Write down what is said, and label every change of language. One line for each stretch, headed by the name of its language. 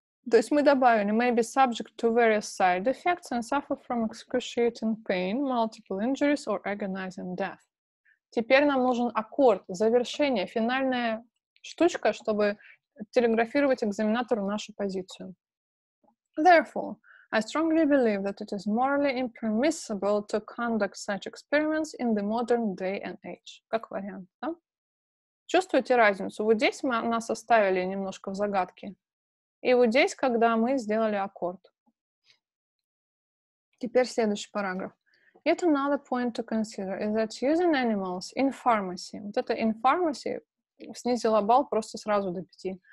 Russian: То есть мы добавили
English: may be subject to various side effects and suffer from excruciating pain, multiple injuries or agonizing death.
Russian: Теперь нам нужен аккорд, завершение, финальная штучка, чтобы телеграфировать экзаменатору нашу позицию.
English: Therefore, I strongly believe that it is morally impermissible to conduct such experiments in the modern day and age.
Russian: Как вариант, да? Чувствуете разницу? Вот здесь мы нас оставили немножко в загадке. И вот здесь, когда мы сделали аккорд. Теперь следующий параграф.
English: Yet another point to consider is that using animals in pharmacy.
Russian: Вот это
English: in pharmacy
Russian: снизила балл просто сразу до 5.